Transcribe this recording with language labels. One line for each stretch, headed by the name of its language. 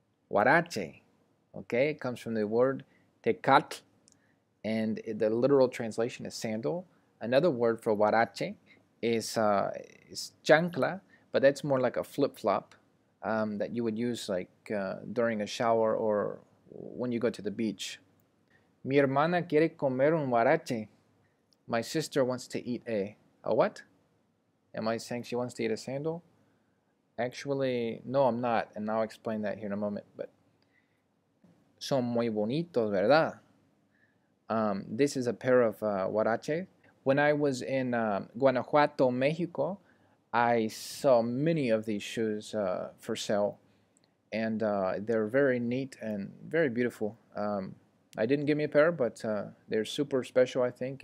English: Huarache. Okay, it comes from the word tecatl, and the literal translation is sandal. Another word for huarache is chancla, but that's more like a flip-flop that you would use like during a shower or when you go to the beach.
Spanish: Mi hermana quiere comer un huarache.
English: My sister wants to eat a what? Am I saying she wants to eat a sandal? Actually, no, I'm not. And I'll explain that here in a moment.
Spanish: But son muy bonitos, ¿verdad?
English: This is a pair of huarache. When I was in Guanajuato, Mexico, I saw many of these shoes for sale. And they're very neat and very beautiful. I didn't get me a pair, but they're super special, I think.